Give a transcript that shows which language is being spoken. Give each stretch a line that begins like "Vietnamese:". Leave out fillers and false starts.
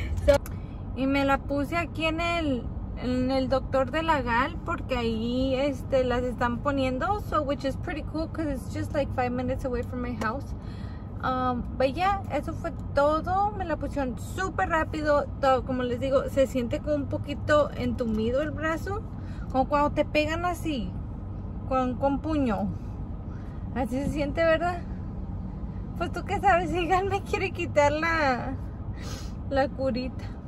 Spanish: So, y me la puse aquí en el doctor de la Gal porque ahí las están poniendo.
English: So, which is pretty cool because it's just like 5 minutes away from my house. But yeah,
Spanish: eso fue todo. Me la pusieron súper rápido. Todo, como les digo, se siente como un poquito entumido el brazo. Como cuando te pegan así, con puño. Así se siente, ¿verdad? Pues tú qué sabes, si Gal me quiere quitar la curita.